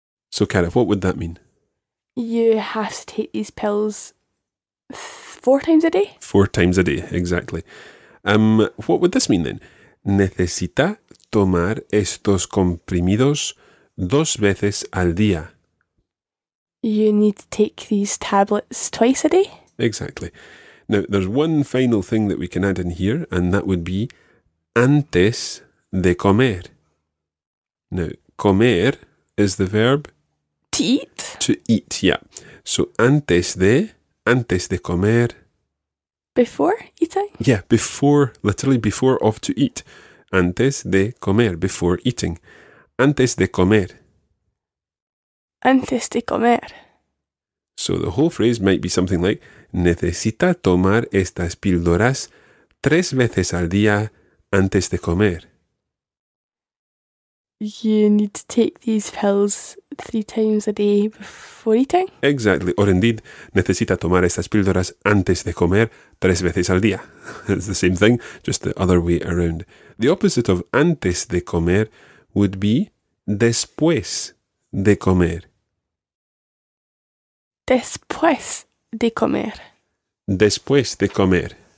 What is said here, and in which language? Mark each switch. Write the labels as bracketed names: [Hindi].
[English] So, Karen, what would that mean? You have to take these pills 4 times a day? 4 times a day, exactly. What would this mean then? [Spanish] Necesita tomar estos comprimidos 2 veces al día. [English] You need to take these tablets twice a day? Exactly. Now, there's one final thing that we can add in here, and that would be [Spanish] antes de comer. [English] Now, comer is the verb... To eat. To eat, yeah. So, [Spanish] antes de comer... [English] Before eating? Yeah, before, literally before of to eat. [Spanish] Antes de comer, [English] before eating. [Spanish] Antes de comer. Antes de comer. [English] So, the whole phrase might be something like... [Spanish] Necesita tomar estas píldoras 3 veces al día antes de comer. [English] You need to take these pills 3 times a day before eating. Exactly. Or indeed, [Spanish] necesita tomar estas píldoras antes de comer 3 veces al día. [English] It's the same thing, just the other way around. The opposite of [Spanish] antes de comer [English] would be [Spanish] después de comer. Después. De comer. Después de comer.